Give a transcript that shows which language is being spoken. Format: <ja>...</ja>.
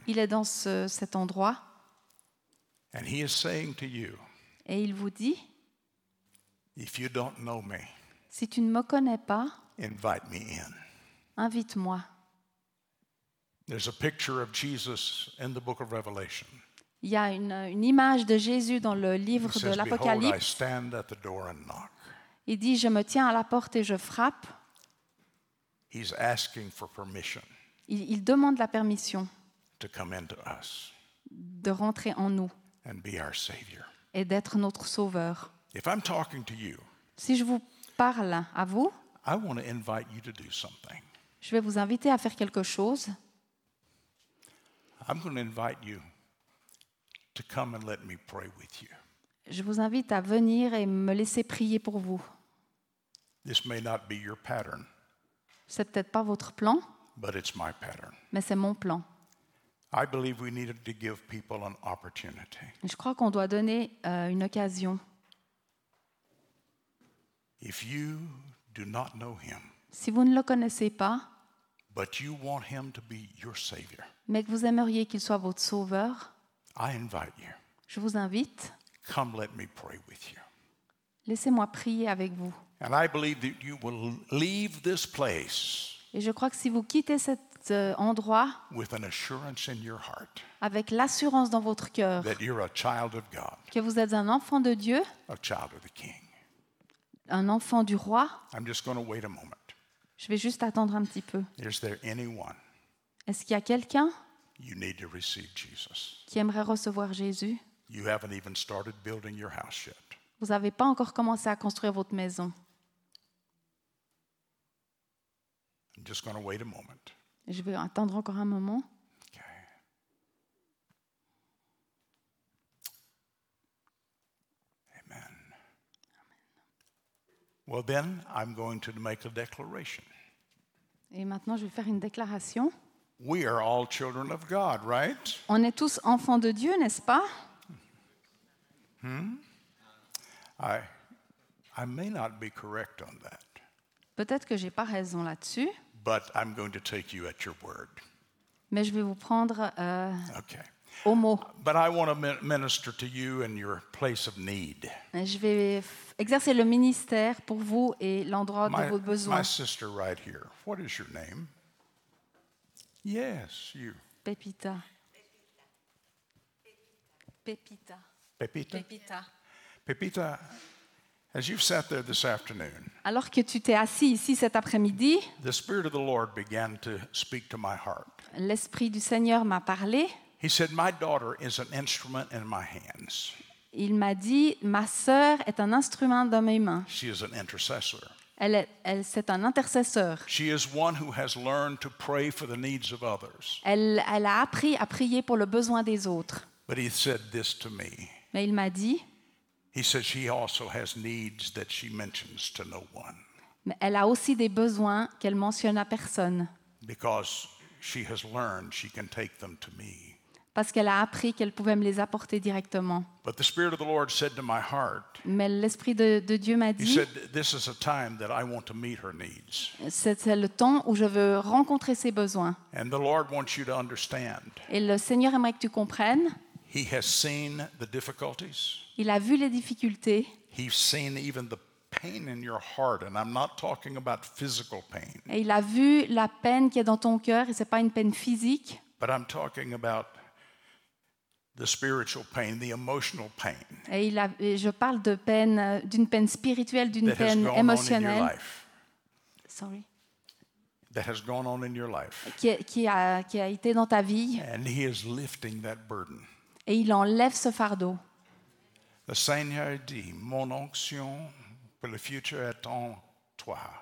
<fr>Il est dans cet endroit.</fr> <en>And he is saying to you,</en> <fr>et il vous dit,</fr> <en>if you don't know me,</en> <fr>si tu ne me connais pas,</fr> <en>invite me in.</en> <fr>Invite-moi.</fr> <en>There's a picture of Jesus in the book of Revelation.</en> <fr>Il y a une image de Jésus dans le livre</fr> <en>he</en> <fr>de</fr> <en>says,</en> <fr>l'Apocalypse.</fr> <en>Behold, I stand at the door and knock.</en> <fr>Il dit, je me tiens à la porte et je frappe.</fr> <en>He's asking for permission.</en> <fr>Il demande la permission</fr> <en>to come into us.</en> <fr>De rentrer en nous.</fr> <en>And be our savior.</en> <fr>Et d'être notre sauveur.</fr> <en>If I'm talking to you,</en> <fr>si je vous parle à vous,</fr> <en>I want to invite you to do something.</en> <fr>Je vais vous inviter à faire quelque chose.</fr> <en>I'm going to invite you to come and let me pray with you.</en> <fr>Je vous invite à venir et me laisser prier pour vous.</fr> <en>This may not be your pattern.</en> <fr>C'est peut-être pas votre plan.</fr> <en>But it's my pattern.</en> <fr>Mais c'est mon plan.</fr> <en>I believe we needed to give people an opportunity.</en> <fr>Je crois qu'on doit donner une occasion.</fr> <en>If you do not know him.</en> <fr>Si vous ne le connaissez pas.</fr> <en>But you want him to be your savior.</en> <fr>Mais que vous aimeriez qu'il soit votre sauveur.</fr> <en>I invite you.</en> <fr>Je vous invite.</fr> <en>Come let me pray with you.</en> <fr>Laissez-moi prier avec vous.</fr> <en>And I believe that you will leave this place.</en> <fr>Et je crois que si vous quittez cet endroit</fr> <en>with an assurance in your heart,</en> <fr>avec l'assurance dans votre cœur</fr> <en>that you're a child of God,</en> <fr>que vous êtes un enfant de Dieu,</fr> <en>a child of the King,</en> <fr>un enfant du roi,</fr> <en>I'm just going to wait a moment.</en> <fr>Je vais juste attendre un petit peu.</fr> <en>Is there anyone?</en> <fr>Est-ce qu'il y a quelqu'un?</fr> <en>You need to receive Jesus.</en> <fr>Qui aimerait recevoir Jésus?</fr> <en>You haven't even started building your house yet.</en> <fr>Vous n'avez pas encore commencé à construire votre maison.</fr> <en>I'm just going to wait a moment.</en> <fr>Je vais attendre encore un moment.</fr> <en>Okay.</en> <fr>Amen. Amen.</fr> <en>Well, then I'm going to make a declaration.</en> <fr>Et maintenant, je vais faire une déclaration.</fr> <en>We are all children of God, right?</en> <fr>On est tous enfants de Dieu, n'est-ce pas?</fr> <en>I may not be correct on that.</en> <fr>Peut-être que j'ai pas raison là-dessus.</fr> <en>But I'm going to take you at your word.</en> <fr>Mais je vais vous prendre</fr> <en>okay.</en> <fr>Au mot.</fr> <en>But I want to minister to you in your place of need.</en> <fr>Je vais exercer le ministère pour vous et l'endroit de vos besoins.</fr> <en>My sister right here. What is your name? Yes, you. Pepita. Pepita. Pepita. Pepita. Pepita, as you've sat there this afternoon,</en> <fr>alors que tu t'es assis ici cet après-midi,</fr> <en>the Spirit of the Lord began to speak to my heart.</en> <fr>L'Esprit du Seigneur m'a parlé.</fr> <en>He said, "My daughter is an instrument in my hands."</en> <fr>Il m'a dit, ma sœur est un instrument dans mes mains.</fr> <en>She is an intercessor.</en> <fr>C'est un intercesseur.</fr> <en>She is one who has learned to pray for the needs of others.</en> <fr>Elle a appris à prier pour le besoin des autres.</fr> <en>But he said this to me.</en> <fr>Mais il m'a dit.</fr> <en>He says she also has needs that she mentions to no one.</en> <fr>Mais elle a aussi des besoins qu'elle mentionne à personne.</fr> <en>Because she has learned she can take them to me.</en> <fr>Parce qu'elle a appris qu'elle pouvait me les apporter directement.</fr> <en>But the Spirit of the Lord said to my heart.</en> <fr>Mais l'Esprit de Dieu m'a dit.</fr> <en>He said this is a time that I want to meet her needs.</en> <fr>C'est le temps où je veux rencontrer ses besoins.</fr> <en>And the Lord wants you to understand.</en> <fr>Et le Seigneur aimerait que tu comprennes.</fr> <en>He has seen the difficulties.</en> <fr>Il a vu les difficultés.</fr> <en>He's seen even the pain in your heart, and I'm not talking about physical pain.</en> <fr>Et il a vu la peine qui est dans ton cœur, et c'est pas une peine physique.</fr> <en>But I'm talking about the spiritual pain, the emotional pain.</en> <fr>Et il a, et je parle de peine, d'une peine spirituelle, d'une peine émotionnelle.</fr> <en>That has gone on in your life. That has gone on in your life.</en> <fr>Qui a été dans ta vie.</fr> <en>And he is lifting that burden.</en> <fr>Et il enlève ce fardeau. Le Seigneur dit, mon onction pour le futur est en toi.</fr>